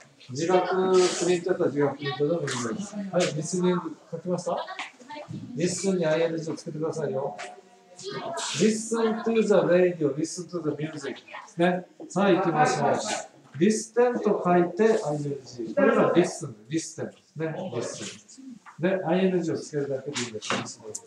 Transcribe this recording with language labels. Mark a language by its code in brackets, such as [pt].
[ja] 自学プリントやったら自学プリントでもいいです。はい、リスニング書きました。リスンに ING をつけてくださいよ。 [en] Listen to the radio, listen to the music、 [ja] ね、さあ行きましょう。 Listen と書いて ING、 これが Listen、 Listen、 ね、 Listen、 で ING をつけるだけでいいです。